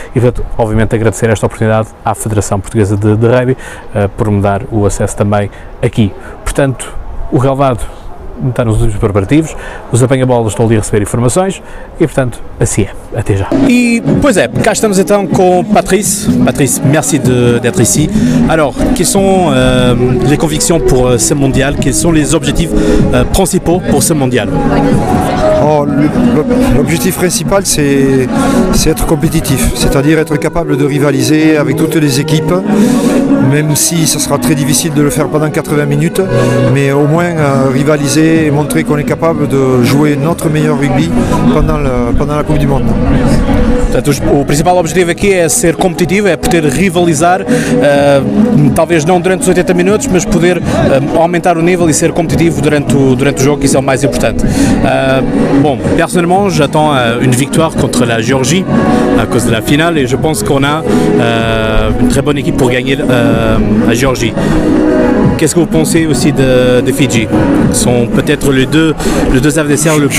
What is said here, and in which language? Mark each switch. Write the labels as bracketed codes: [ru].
[pt] E, portanto, obviamente, agradecer esta oportunidade à Federação Portuguesa de Rugby, por me dar o acesso também aqui. Portanto, o relvado está nos últimos preparativos, os apanha-bolas estão ali a receber informações e, portanto, assim é. Até já. E, pois é, cá estamos então com Patrice. [fr] Patrice, merci d'être ici. Alors, quelles sont les convictions pour ce mondial? Quels sont les objectifs principaux pour ce mondial? Oh, l'objectif principal, c'est être compétitif, c'est-à-dire être capable de rivaliser avec toutes les équipes, même si ce sera très difficile de le faire pendant 80 minutes, mais au moins rivaliser et montrer qu'on est capable de jouer notre meilleur rugby pendant la Coupe du Monde. [pt] Portanto, o principal objetivo aqui é ser competitivo, é poder rivalizar, talvez não durante os 80 minutos, mas poder aumentar o nível e ser competitivo durante o jogo, isso é o mais importante. [fr] Bom, personnellement, j'attends une victoire contre la Géorgie à cause de la finale et je pense qu'on a une très bonne équipe pour gagner la Géorgie. Qu'est-ce que vous pensez aussi de Fidji? Sont peut-être les deux adversaires